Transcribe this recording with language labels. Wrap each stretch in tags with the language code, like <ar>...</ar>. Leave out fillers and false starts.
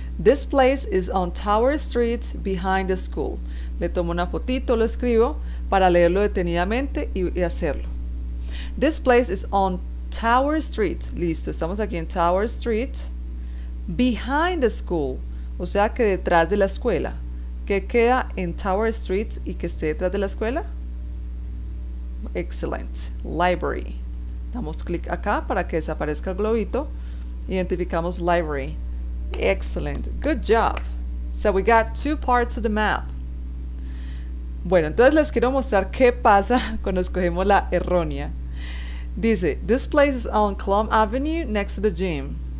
<en>This place is on Tower Street behind the school.</en> <es>Le tomo una fotito, lo escribo para leerlo detenidamente y hacerlo.</es> <en>This place is on Tower Street.</en> <es>Listo, estamos aquí en Tower Street.</es> <en>Behind the school.</en> <es>O sea que detrás de la escuela. ¿Qué queda en Tower Street y que esté detrás de la escuela? Excelente. Library. Damos clic acá para que desaparezca el globito. Identificamos library. Excelente.</es> <en>Good job. So we got two parts of the map.</en> <es>Bueno, entonces les quiero mostrar qué pasa cuando escogemos la errónea. Dice,</es> <en>this place is on Clum Avenue next to the gym.</en>